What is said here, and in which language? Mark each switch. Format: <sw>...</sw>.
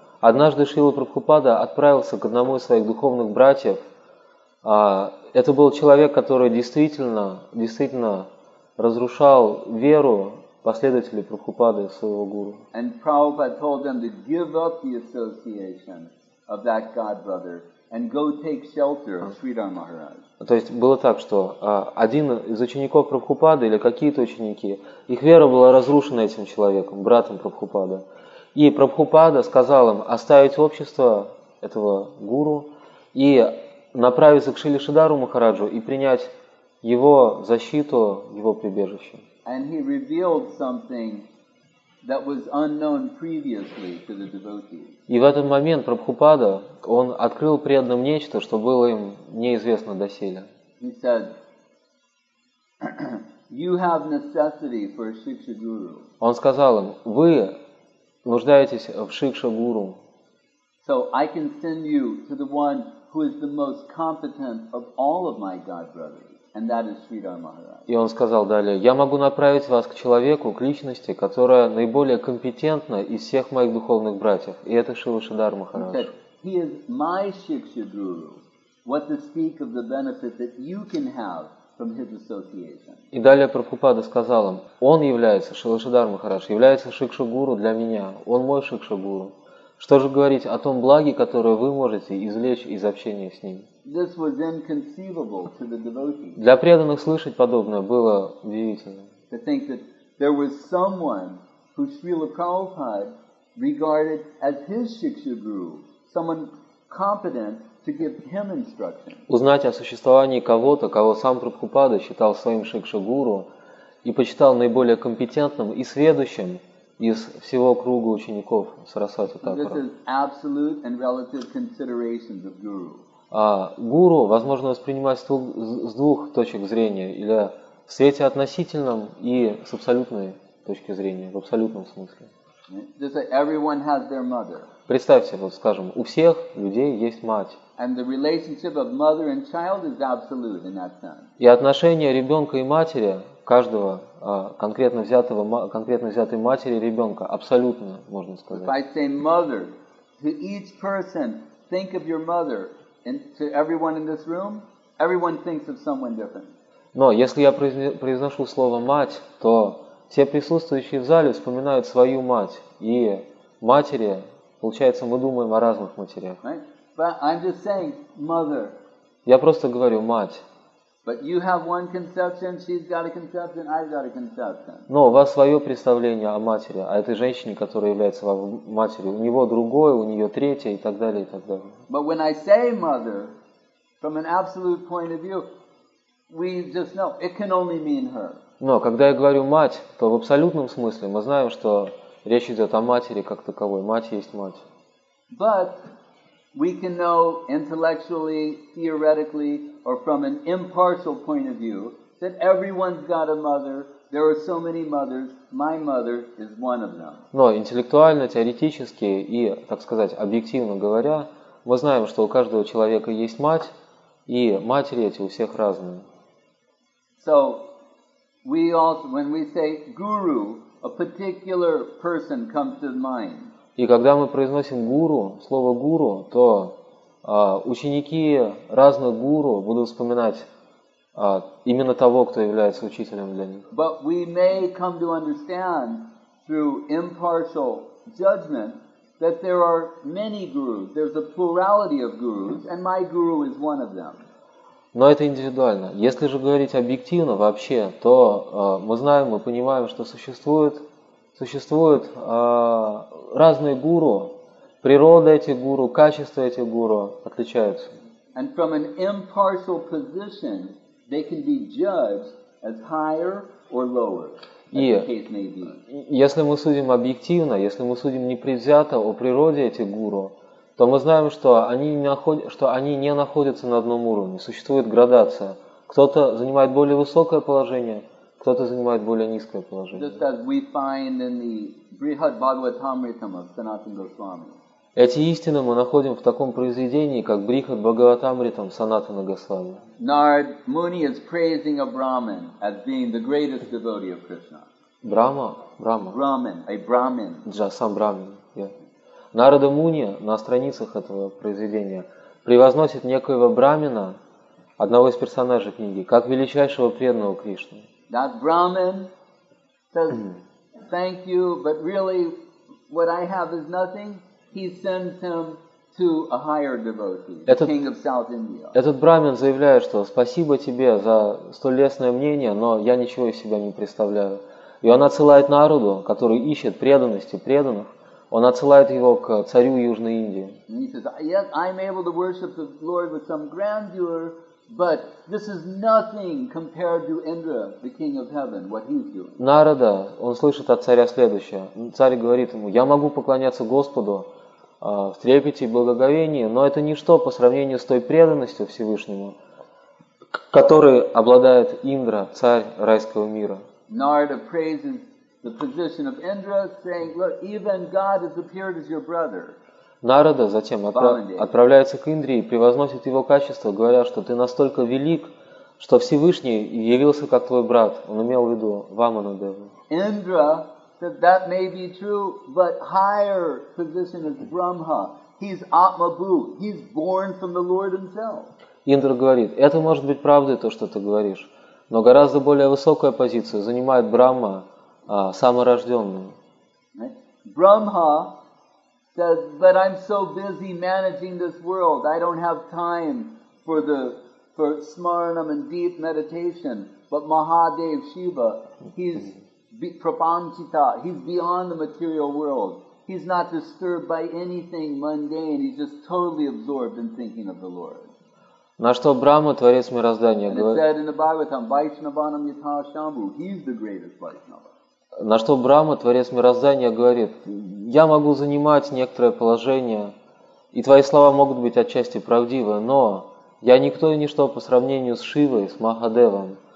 <ru>Однажды Шрила Прабхупада отправился к одному из своих духовных братьев. Это был человек, который действительно разрушал веру последователей Прабхупады, своего гуру.</ru> <en>And Prabhupada told them to give up the association of that god brother and go take shelter of Sridhar Maharaj.</en> <ru>То есть было так, что один из учеников Прабхупады или какие-то ученики, их вера была разрушена этим человеком, братом Прабхупады. И Прабхупада сказал им оставить общество этого гуру и направиться к Шриле Шридхару Махараджу и принять его защиту, его прибежище.</ru> <en>And he revealed something that was unknown previously to the devotees.</en> <ru>И в этот момент Прабхупада, он открыл преданным нечто, что было им неизвестно доселе.</ru> <en>He said, you have necessity for a Shiksha Guru.</en> <ru>Он сказал им, вы нуждаетесь в Шикша Гуру.</ru> <en>So I can send you to the one who is the most competent of all of my god brothers. And that is Sridhar Maharaj.</en> <ru>И он сказал далее, я могу направить вас к человеку, к личности, которая наиболее компетентна из всех моих духовных братьев. И это Шрила Шридхар Махарадж.</ru> <en>He said, he is my Shiksha Guru. What to speak of the benefit that you can have from his association.</en> <ru>И далее Прабхупада сказал им, он является, Шрила Шридхар Махарадж, является Шикша Гуру для меня. Он мой Шикша Гуру. Что же говорить о том благе, которое вы можете извлечь из общения с ним?</ru> <en>This was inconceivable to the devotees.</en> <ru>Для преданных слышать подобное было удивительно.</ru> <en>To think that there was someone who Srila Prabhupada regarded as his Shiksha Guru, someone competent to give him instruction.</en> <ru>Узнать о существовании кого-то, кого сам Прабхупада считал своим Шикша Гуру и почитал наиболее компетентным и сведущим из всего круга учеников Сарасвати Такура.</ru> <en>This is absolute and relative considerations of guru.</en> <ru>Гуру возможно воспринимать с двух точек зрения, или в свете относительном и с абсолютной точки зрения, в абсолютном смысле.</ru> <en>Everyone has their mother.</en> <ru>Представьте, вот скажем, у всех людей есть мать.</ru> <en>And the relationship of mother and child is absolute in that sense.</en> <ru>И отношение ребенка и матери, каждого конкретно взятой матери ребенка, абсолютно, можно сказать.</ru> <en>If I say mother to each person, think of your mother. And to everyone in this room, everyone thinks of someone different.</en> <ru>Но если я произношу слово «мать», то все присутствующие в зале вспоминают свою мать. И матери, получается, мы думаем о разных матерях.</ru> <en>But I'm just saying, mother.</en> <ru>Я просто говорю «мать».</ru> <en>But you have one conception, she's got a conception, I've got a conception.</en> <ru>Но у вас свое представление о матери, о этой женщине, которая является матерью. У него другое, у нее третье и так далее, и так далее.</ru> <en>But when I say mother, from an absolute point of view, we just know, it can only mean her.</en> <ru>Но когда я говорю мать, то в абсолютном смысле мы знаем, что речь идет о матери как таковой. Мать есть мать.</ru> <en>But we can know intellectually, theoretically, or from an impartial point of view, that everyone's got a mother. There are so many mothers. My mother is one of them.</en> <ru>Но интеллектуально, теоретически и, так сказать, объективно говоря, мы знаем, что у каждого человека есть мать, и матери эти у всех разные.</ru> <en>So, we also, when we say guru, a particular person comes to mind.</en> <ru>И когда мы произносим гуру, слово гуру, то ученики разных гуру будут вспоминать именно того, кто является учителем для них.</ru> <en>But we may come to understand through impartial judgment that there are many gurus. There's a plurality of gurus, and my guru is one of them.</en> <ru>Но это индивидуально. Если же говорить объективно вообще, то мы знаем, мы понимаем, что существуют разные гуру, природа этих гуру, качество этих гуру отличаются.</ru> <en>And from an impartial position, they can be judged as higher or lower, as the case may be.</en> <ru>Если мы судим объективно, если мы судим непредвзято о природе этих гуру, то мы знаем, что они не находятся на одном уровне, существует градация. Кто-то занимает более высокое положение, кто-то занимает более низкое положение.</ru> <en>Just as we find in the Brihadbhagavatamritam of Sanatana Goswami.</en> <ru>Эти истины мы находим в таком произведении, как Брихадбхагаватамритам Санатана Госвами.</ru> <en>Narad Muni is praising a Brahmin as being the greatest devotee of Krishna. Brahma. Brahmin, a Brahmin.</en> <ru>Джа, сам Брахмин. Нарада Муни на страницах этого произведения превозносит некоего Брахмина, одного из персонажей книги, как величайшего преданного Кришны.</ru> <en>That Brahmin says, thank you, but really what I have is nothing. He sends him to a higher devotee, the king of South India.</en> <ru>Этот брамин заявляет, что спасибо тебе за столь лестное мнение, но я ничего из себя не представляю. И он отсылает народу, который ищет преданности преданных, он отсылает его к царю Южной Индии.</ru> <en>And he says, yes, I'm able to worship the Lord with some grandeur, but this is nothing compared to Indra, the king of heaven, what he's doing.</en> <ru>Нарада, он слышит от царя следующее. Царь говорит ему, я могу поклоняться Господу в трепете и благоговении, но это ничто по сравнению с той преданностью Всевышнему, которой обладает Индра, царь райского мира.</ru> <en>Narada praises the position of Indra, saying, look, even God has appeared as your brother.</en> <ru>Нарада затем отправляется к Индре и превозносит его качество, говоря, что ты настолько велик, что Всевышний явился как твой брат. Он имел в виду Вамана Деву.</ru> <en>Indra said, that may be true, but higher position is Brahma. He's Atmabhu. He's born from the Lord himself.</en> <ru>Индра говорит, это может быть правдой, то, что ты говоришь. Но гораздо более высокая позиция занимает Брахма, саморожденный.</ru> <en>Брахма says, but I'm so busy managing this world, I don't have time for smaranam and deep meditation. But Mahadev Shiva, he's prapanchita, he's beyond the material world. He's not disturbed by anything mundane, he's just totally absorbed in thinking of the Lord.</en> <ru>На что Брахма, Творец Мироздания, говорит, я могу занимать некоторое положение, и твои слова могут быть отчасти правдивы, но я никто и ничто по сравнению с Шивой, с Махадевом.</ru>